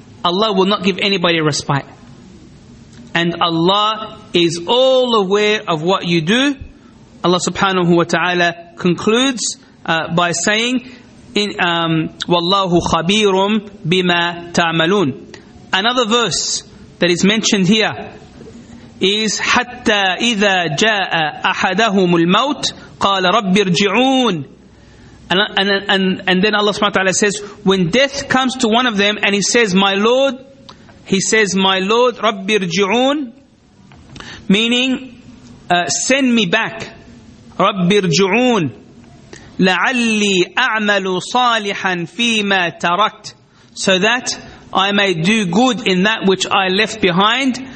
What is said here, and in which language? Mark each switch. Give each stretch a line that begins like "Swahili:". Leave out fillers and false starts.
English: Allah will not give anybody respite. And Allah is all aware of what you do. Allah subhanahu wa ta'ala concludes by saying,
Arabic: وَاللَّهُ خَبِيرٌ بِمَا تَعْمَلُونَ.
English: Another verse that is mentioned here is,
Arabic: حَتَّى إِذَا جَاءَ أَحَدَهُمُ الْمَوْتِ قَالَ رَبِّ ارْجِعُونَ.
English: And then Allah subhanahu wa ta'ala says, when death comes to one of them and he says, My Lord,
Arabic: رَبِّ ارْجِعُونَ,
English: meaning, send me back.
Arabic: رَبِّ ارْجِعُونَ لَعَلِّي أَعْمَلُ صَالِحًا فِي مَا تَرَكْتُ,
English: so that I may do good in that which I left behind.